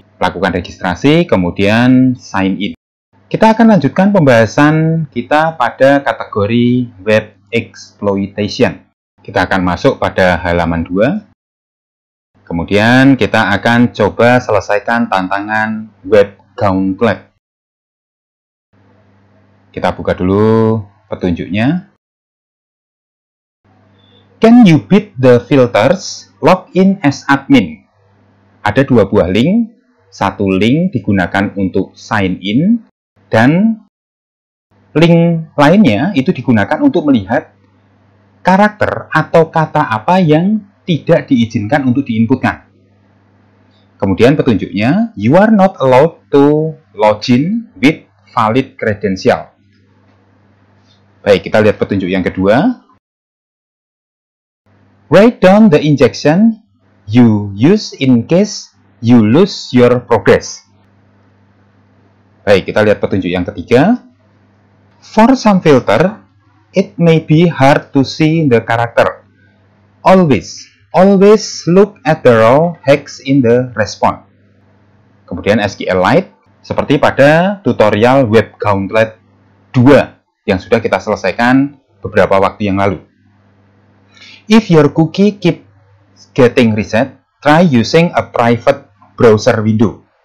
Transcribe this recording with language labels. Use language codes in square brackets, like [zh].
[id] Lakukan registrasi, kemudian sign in. Kita akan lanjutkan pembahasan kita pada kategori Web Exploitation. Kita akan masuk pada halaman 2. Kemudian kita akan coba selesaikan tantangan Web Gauntlet. Kita buka dulu petunjuknya. [en] Can you beat the filters? Log in as admin. [id] Ada dua buah link. Satu link digunakan untuk sign in. Dan link lainnya itu digunakan untuk melihat karakter atau kata apa yang tidak diizinkan untuk diinputkan. Kemudian petunjuknya, [en] you are not allowed to login with valid credential. [id] Baik, kita lihat petunjuk yang kedua. [en] Write down the injection you use in case you lose your progress. [id] Baik, kita lihat petunjuk yang ketiga. [en] For some filter, it may be hard to see the character. Always look at the raw hex in the response. [id] Kemudian SQLite, seperti pada tutorial Web Gauntlet 2 yang sudah kita selesaikan beberapa waktu yang lalu. [en] If your cookie keeps getting reset, try using a private browser window.